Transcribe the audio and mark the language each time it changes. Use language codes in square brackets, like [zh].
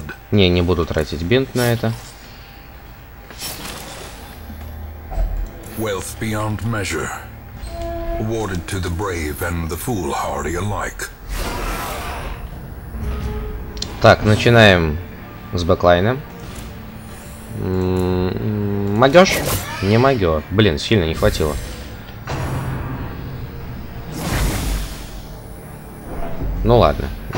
[ru] Не буду тратить бинт на это. [en] Wealth beyond measure, awarded to the brave and the foolhardy alike. [ru] Так, начинаем с бэклайна. Могёшь? Не могу. Блин, сильно не хватило. Ну ладно.